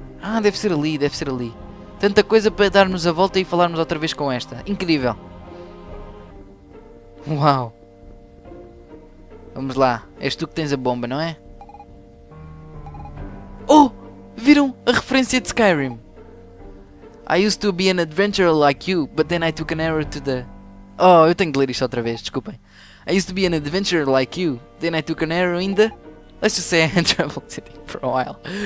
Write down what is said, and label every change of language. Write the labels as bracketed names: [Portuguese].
[Portuguese] Ah, deve ser ali, deve ser ali. Tanta coisa para darmos a volta e falarmos outra vez com esta. Incrível. Uau. Vamos lá. És tu que tens a bomba, não é? Oh! Viram a referência de Skyrim? [English] I used to be an adventurer like you, but then I took an arrow to the... [Portuguese] Oh, eu tenho de ler isto outra vez, desculpem. [English] I used to be an adventurer like you, then I took an arrow in the... Let's just say I traveled city for a while.